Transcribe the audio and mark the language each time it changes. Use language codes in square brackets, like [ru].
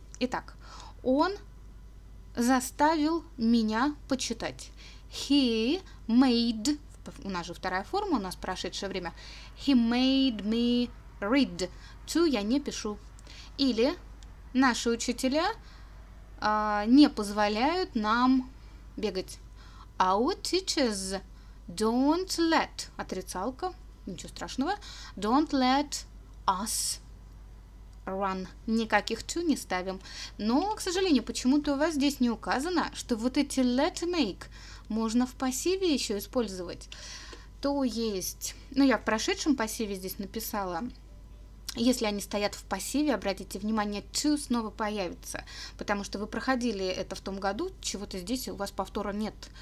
[ru] Итак, он заставил меня почитать. [en] He made, [ru] у нас же вторая форма, у нас прошедшее время. [en] He made me read. To [ru] я не пишу. Или наши учителя не позволяют нам бегать. [en] Our teachers don't let, [ru] отрицалка, ничего страшного, [en] don't let us run. [ru] Никаких to не ставим. Но, к сожалению, почему-то у вас здесь не указано, что вот эти let make можно в пассиве еще использовать. То есть, ну я в прошедшем пассиве здесь написала, если они стоят в пассиве, обратите внимание, to снова появится, потому что вы проходили это в том году, чего-то здесь у вас повтора нет.